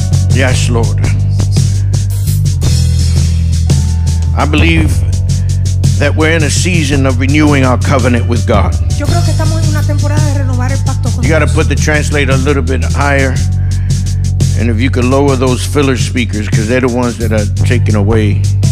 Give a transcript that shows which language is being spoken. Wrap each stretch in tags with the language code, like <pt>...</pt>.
<en>Yes, Lord. I believe that we're in a season of renewing our covenant with God.</en> <es>Yo creo que estamos en una temporada de renovar el pacto con</es> <en>Dios. You got to put the translator a little bit higher. And if you could lower those filler speakers, because they're the ones that are taken away.</en>